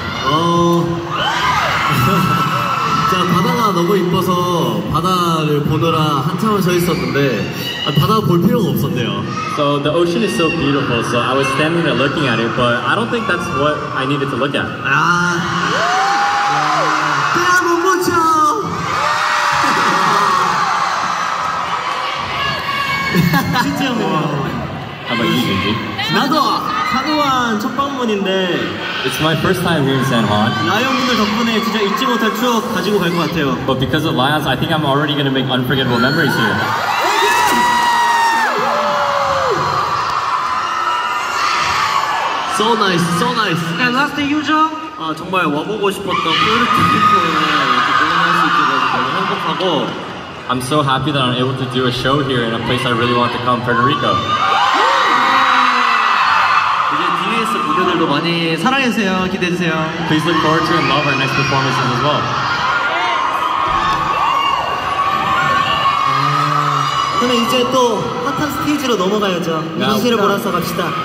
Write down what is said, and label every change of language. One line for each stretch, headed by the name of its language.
Korean: Oh, 바다가 너무 이뻐서 바다를 보느라 한참을 서 있었는데 바다 볼 필요가 없었네요.
English: So the ocean is so beautiful. So I was standing there looking at it, but I don't think that's what I needed to look at.
Spanish: Ah. Te amo mucho.
English: How about you, Jinji?
Korean: 나도. 사도환 첫 방문인데
English: It's my first time here in San Juan.
Korean: 라이언분들 덕분에 진짜 잊지 못할 추억 가지고 갈 것 같아요.
English: But because of Lions, I think I'm already gonna make unforgettable memories here.
Korean: 화이팅!
English: So nice, so nice. And last thing, YooJung?
Korean: 아, 정말 와보고 싶었던 포르투 리코에 이렇게 공연할 수 있게 돼서 너무 행복하고
English: I'm so happy that I'm able to do a show here in a place I really want to come, Puerto Rico.
Korean: 분들도 많이 사랑해주세요. 기대해주세요.
English: Please look forward to and love our next performances as well.
Korean: 그러면 이제 또 핫한 스테이지로 넘어가야죠. 이미지를 몰아서 갑시다.